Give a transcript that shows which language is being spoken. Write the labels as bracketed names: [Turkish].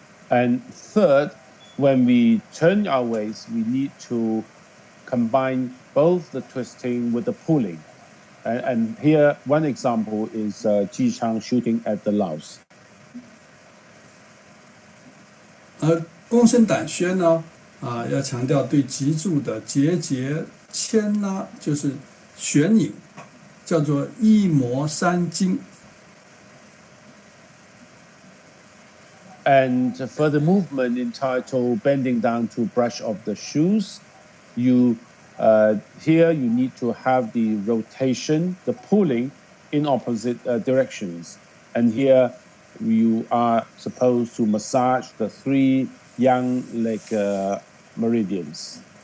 [English] And third, when we turn our waist, we need to combine both the twisting with the pulling. And here, one example is Ji Chang shooting at the louse. [Chinese] 公孙胆宣呢，要强调对脊柱的结节牵拉，就是旋拧，叫做一摩三经。 [English] And for the movement entitled bending down to brush off the shoes, you here you need to have the rotation, the pulling in opposite directions, and here you are supposed to massage the three young leg meridians.